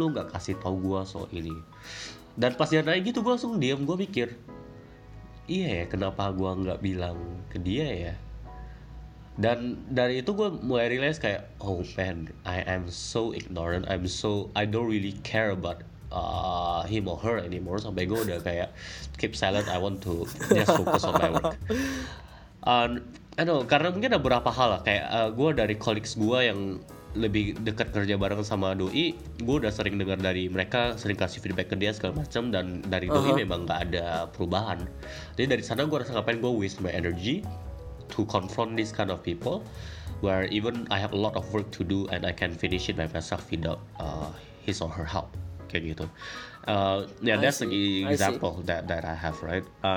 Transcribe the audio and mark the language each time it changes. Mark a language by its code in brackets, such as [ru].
[id] lu gak kasih tahu gue soal ini? Dan pas dia nanya gitu, gue langsung diam, gue mikir, iya ya, kenapa gue gak bilang ke dia ya? Dan dari itu gue mulai realize kayak, [en] oh man, I am so ignorant, I don't really care about him or her anymore. [id] Sampai gue udah kayak [en] keep silent, I want to just focus on my work. I know, [id] karena mungkin ada beberapa hal lah, kayak gue dari colleagues gue yang lebih dekat kerja bareng sama doi, gue udah sering dengar dari mereka, sering kasih feedback ke dia segala macam, dan dari doi memang gak ada perubahan. Jadi dari sana gue rasa ngapain gue [en] waste my energy to confront this kind of people, where even I have a lot of work to do and I can finish it by myself without his or her help, [id] kayak gitu. [en] Yeah, that's an example that I have, right?